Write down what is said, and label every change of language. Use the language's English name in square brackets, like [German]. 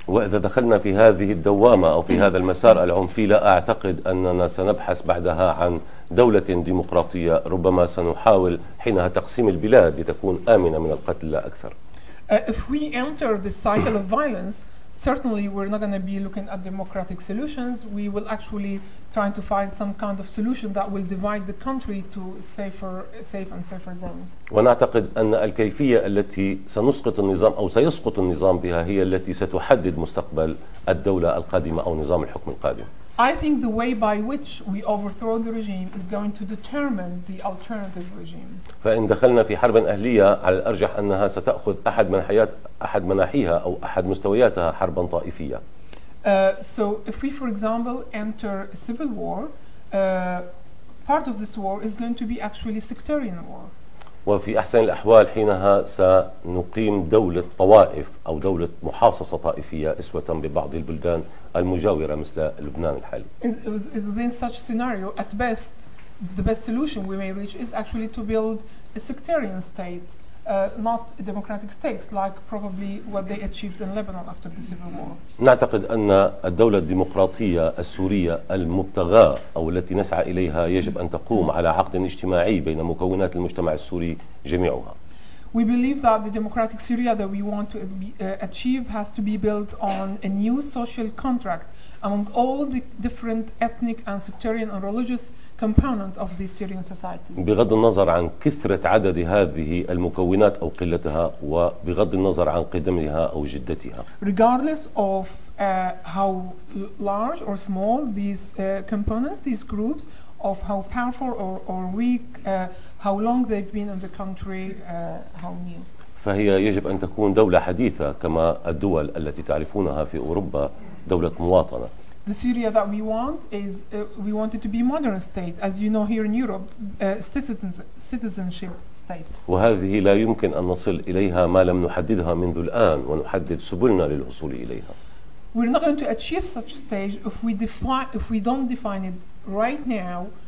[Arabic] وإذا دخلنا في هذه الدوامة أو في هذا المسار العنفي لا أعتقد أننا سنبحث بعدها عن دولة ديمقراطية ربما سنحاول حينها تقسيم البلاد لتكون آمنة من القتل لا أكثر. [English] If we enter this cycle of violence, certainly we're not going to be looking at democratic solutions. We will actually try to find some kind of solution that will divide the country to safer zones. [Arabic] ونعتقد أن الكيفية التي سنسقط النظام أو سيسقط النظام بها هي التي ستحدد مستقبل الدولة القادمة أو نظام الحكم القادم. [English] I think the way by which we overthrow the regime is going to determine the alternative regime. [Arabic] فإن دخلنا في حرب أهلية على الأرجح أنها ستأخذ أحد من حيات أحد مناحيها أو أحد مستوياتها حربا طائفية. [English] So if we, for example, enter a civil war, part of this war is going to be actually sectarian war. [Arabic] وفي أحسن الأحوال حينها سنقيم دولة طوائف أو دولة محاصصة طائفية إسوة ببعض البلدان المجاورة مثل لبنان الحالي. [English] In such scenario, at best, the best solution we may reach is actually to build a sectarian state, not democratic states, like probably what they achieved in Lebanon after the civil war. [Arabic] نعتقد أن الدولة الديمقراطية السورية المبتغاة أو التي نسعى إليها يجب أن تقوم على عقد اجتماعي بين مكونات المجتمع السوري جميعها. [English] We believe that the democratic Syria that we want to achieve has to be built on a new social contract among all the different ethnic and sectarian and religious components of the Syrian society. [Arabic] بغض النظر عن كثرة عدد هذه المكونات أو قلتها وبغض النظر عن قدمها أو جدتها. [English] Regardless of how large or small these components, these groups, of how powerful or weak, how long they've been in the country, how new. [Arabic] فهي يجب أن تكون دولة حديثة كما الدول التي تعرفونها في أوروبا دولة مواطنة. [English] The Syria that we want is we want it to be modern state, as you know here in Europe, citizenship state. [Arabic] وهذه لا يمكن أن نصل إليها ما لم نحددها منذ الآن ونحدد سبلنا للوصول إليها. [English] We're not going to achieve such a stage if we don't define it right now.